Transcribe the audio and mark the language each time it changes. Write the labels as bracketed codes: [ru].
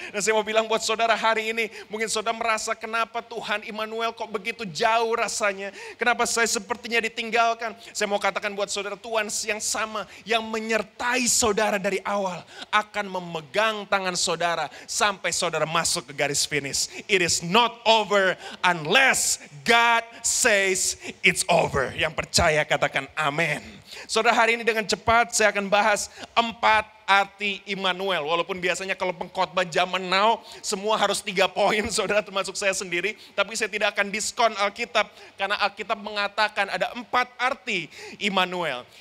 [id] Dan saya mau bilang buat saudara hari ini, mungkin saudara merasa, kenapa Tuhan Immanuel kok begitu jauh rasanya, kenapa saya sepertinya ditinggalkan. Saya mau katakan buat saudara, Tuhan Tuhan yang sama yang menyertai saudara dari awal akan memegang tangan saudara sampai saudara masuk ke garis finish. [en] It is not over unless God says it's over. [id] Yang percaya katakan amin. Saudara, hari ini dengan cepat saya akan bahas 4 arti Immanuel. Walaupun biasanya kalau pengkhotbah zaman now semua harus 3 poin saudara, termasuk saya sendiri, tapi saya tidak akan diskon Alkitab karena Alkitab mengatakan ada 4 arti Immanuel.